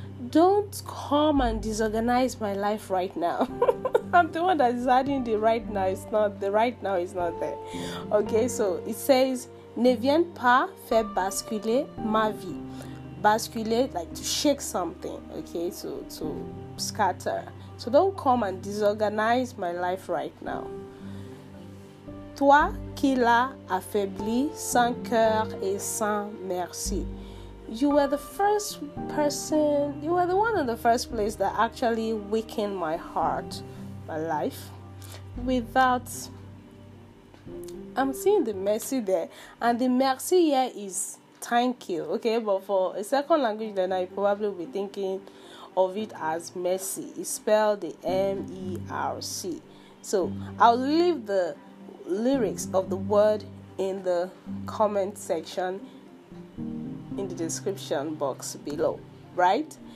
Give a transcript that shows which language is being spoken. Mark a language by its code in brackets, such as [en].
[en] don't come and disorganize my life right now. I'm the one that is adding the right now. It's not the right now. It's not there. Okay, so it says, [fr] ne viens pas faire basculer ma vie. [en] Basculer, like to shake something. Okay, so to scatter. So don't come and disorganize my life right now. [fr] Toi qui l'as affaibli sans cœur et sans merci. [en] You were the first person, you were the one in the first place that actually weakened my heart, my life, without, I'm seeing the mercy there, and the mercy here is thank you, okay, but for a second language learner, you probably will be thinking of it as mercy, it's spelled the M-E-R-C, so I'll leave the lyrics of the word in the comment section in the description box below, right?